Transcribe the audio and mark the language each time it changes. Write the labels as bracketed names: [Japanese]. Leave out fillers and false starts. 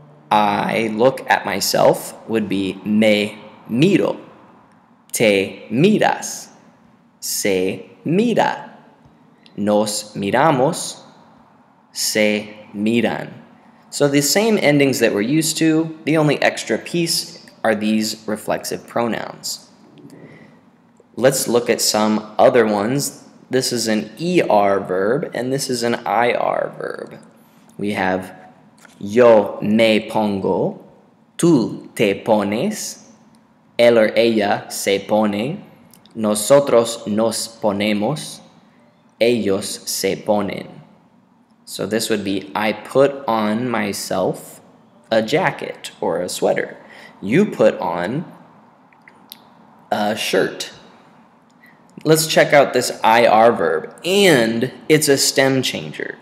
[English] I look at myself would be [Spanish] me miro, te miras, se mira, nos miramos, se miran. [English] So the same endings that we're used to, the only extra piece are these reflexive pronouns. Let's look at some other ones. This is an ER verb and this is an IR verb. We have [Spanish] yo me pongo, tú te pones, él o ella se pone, nosotros nos ponemos, ellos se ponen. [English] So this would be, I put on myself a jacket or a sweater. You put on a shirt. Let's check out this IR verb, and it's a stem changer.